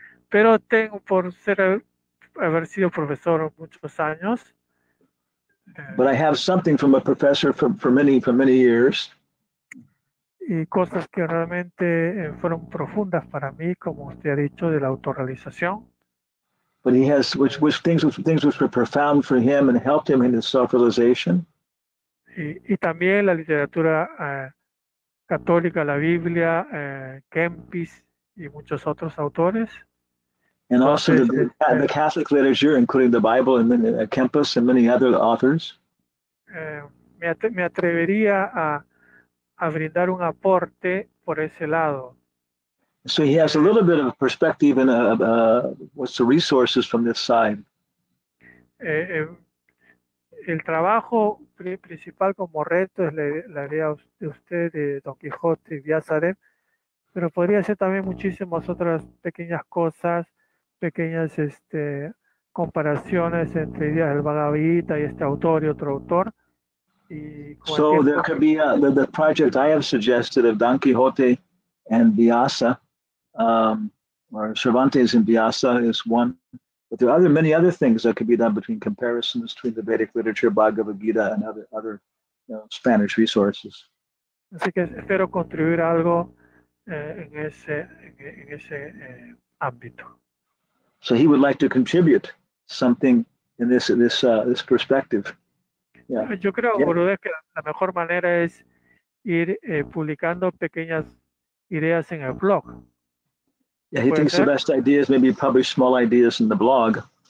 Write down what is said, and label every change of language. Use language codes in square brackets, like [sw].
[es] Pero tengo por ser haber sido profesor muchos años. [en] But I have something from a professor for many years. [es] Y cosas que realmente fueron profundas para mí, como usted ha dicho, de la autorrealización. [en] But he has which things were profound for him and helped him in his self-realization. [es] Y también la literatura católica, la Biblia, Kempis y muchos otros autores. [en] And also the Catholic literature, including the Bible and then Kempis and many other authors. [es] Me atrevería a brindar un aporte por ese lado. [en] So he has a little bit of perspective and what's the resources from this side. [es] El trabajo principal como reto es la idea de usted, de Don Quijote y Vyasadev, pero podría ser también muchísimas otras pequeñas cosas, pequeñas comparaciones entre ideas del Bhagavad Gita y este autor y otro autor. Y [en] so there could be the project I have suggested of Don Quijote and Vyasa, or Cervantes and Vyasa is one. But there are many other things that could be done between comparisons between the Vedic literature, Bhagavad Gita, and other Spanish resources. [es] Así que espero contribuir algo en ese ámbito. [en] So he would like to contribute something in this perspective. Yeah. [es] Yo creo, Gurudev, que la mejor manera es ir publicando pequeñas ideas en el blog. [en] Yeah, he thinks the best idea is maybe publish small ideas in the blog.